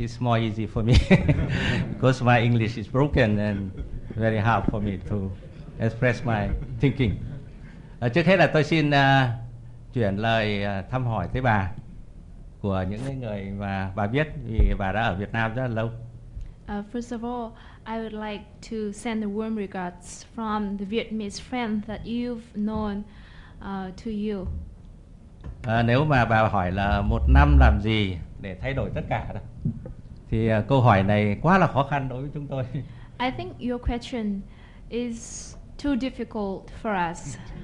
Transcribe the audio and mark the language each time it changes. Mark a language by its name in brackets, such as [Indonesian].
[English] It's more easy for me because my English is broken and very hard for me to express my thinking. [Vietnamese] Trước hết là tôi xin chuyển lời thăm hỏi tới bà của những người mà bà biết vì bà đã ở Việt Nam rất lâu. [English] First of all, I would like to send the warm regards from the Vietnamese friend that you've known to you. [Vietnamese] Nếu mà bà hỏi là một năm làm gì để thay đổi tất cả đó, thì câu hỏi này quá là khó khăn đối với chúng tôi. [English] I think your question is too difficult for us.